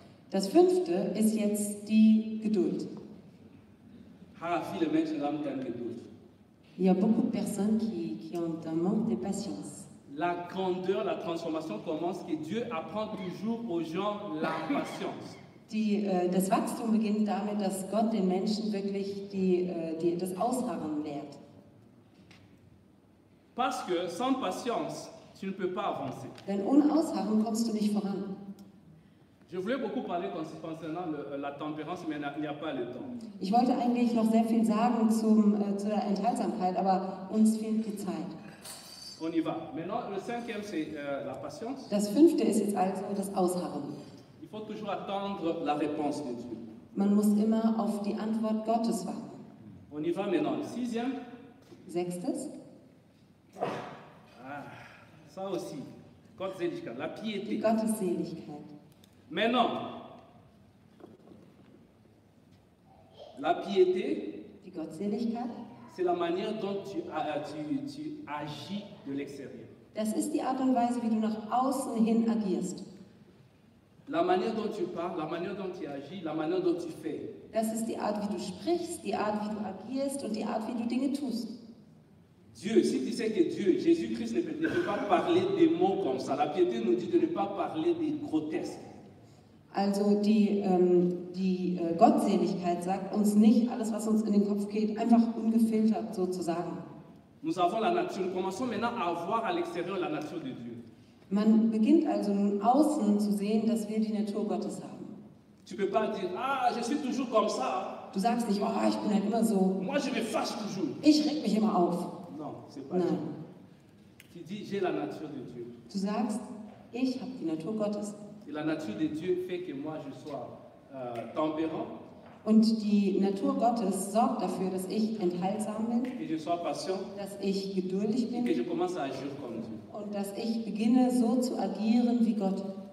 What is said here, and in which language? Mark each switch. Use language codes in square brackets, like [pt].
[de] Das fünfte ist jetzt die Geduld. Ha, viele Menschen haben keine Geduld. [fr] Il y a beaucoup de personnes qui ont un manque de patience. La grandeur, la transformation commence et Dieu apprend toujours aux gens la patience. [de] Das Wachstum beginnt damit, dass Gott den Menschen wirklich das Ausharren lehrt. [fr] Parce que sans patience, tu ne peux pas avancer. [de] Denn ohne Ausharren kommst du nicht voran. [fr] Je voulais beaucoup parler concernant la tempérance, mais il n'y a pas le temps. [de] Ich wollte eigentlich noch sehr viel sagen zur Enthaltsamkeit, aber uns fehlt die Zeit. [fr] On y va. Maintenant, le cinquième, c'est la patience. [de] Das fünfte ist jetzt also das Ausharren. [fr] Il faut toujours attendre la réponse de Dieu. [de] Man muss immer auf die Antwort Gottes warten. [fr] On y va maintenant. Le sixième. [de] Sechstes. [fr] Ah, ça aussi. Gottseligkeit, la piété. [de] Die Gottesseligkeit. [fr] Maintenant. La piété. [de] Die Gottseligkeit. [fr] C'est la manière dont tu agis de l'extérieur. [de] Das ist die Art und Weise, wie du nach außen hin agierst. [fr] La manière dont tu parles, la manière dont tu agis, la manière dont tu fais. [de] Das ist die Art, wie du sprichst, die Art, wie du agierst und die Art, wie du Dinge tust. [fr] Dieu, si tu sais que Dieu, Jésus-Christ ne peut pas parler des mots comme ça. La piété nous dit de ne pas parler des grotesques. [de] Also die Gottseligkeit sagt uns nicht, alles, was uns in den Kopf geht, einfach ungefiltert sozusagen. [fr] Nous avons la nature. Nous commençons maintenant à voir à l'extérieur la nature de Dieu. [de] Man beginnt also nun außen zu sehen, dass wir die Natur Gottes haben. [fr] Tu peux pas dire, ah, je suis toujours comme ça. [de] Du sagst nicht, oh, ich bin halt immer so. [fr] Moi, je me fâche toujours. [de] Ich reg mich immer auf. [fr] Non, c'est pas Nein. Tu dis, j'ai la nature de Dieu. [de] Du sagst, ich habe die Natur Gottes. [fr] Et la nature de Dieu fait que moi, je sois tempérant. [de] Und die Natur Gottes sorgt dafür, dass ich enthaltsam bin, dass ich geduldig bin und dass ich beginne, so zu agieren wie Gott.